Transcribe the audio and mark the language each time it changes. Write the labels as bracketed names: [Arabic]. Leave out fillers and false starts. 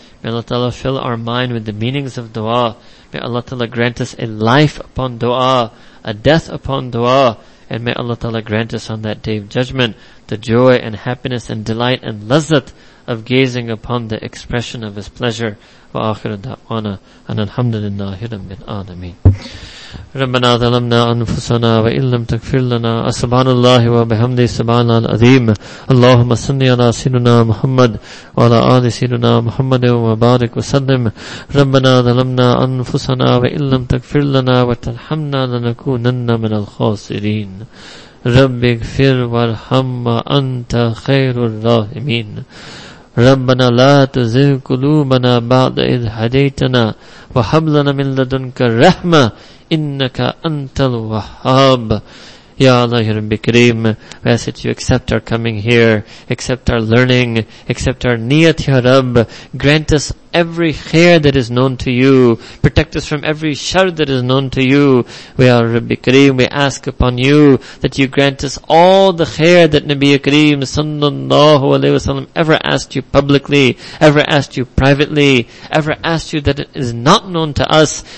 [English] May Allah Ta'ala fill our mind with the meanings of dua. May Allah Ta'ala grant us a life upon dua, a death upon dua. And may Allah Ta'ala grant us on that day of judgment the joy and happiness and delight and lazzat of gazing upon the expression of His pleasure. [Arabic] Wa akhiru da'wana an alhamdulillahi rabbil alameen. ربنا ظلمنا أنفسنا وإن لم تغفر لنا سبحان الله وبحمده سبحان العظيم اللهم صل على سيدنا محمد وعلى آل سيدنا محمد وبارك وسلم ربنا ظلمنا أنفسنا وإن لم تغفر لنا وترحمنا لنكونن من الخاسرين رب اغفر وارحم أنت خير الراحمين ربنا لا تزغ قلوبنا بعد إذ هديتنا وهب لنا من لدنك رحمة إنك أنت الوهاب. [English] Ya Allah, Ya Rabbi Kareem, we ask that You accept our coming here, accept our learning, accept our niyat, Ya Rabb. Grant us every khair that is known to You. Protect us from every shar that is known to You. We are Rabbi Kareem, we ask upon You that You grant us all the khair that Nabi Kareem sallallahu alayhi wa sallam ever asked You publicly, ever asked You privately, ever asked You that it is not known to us.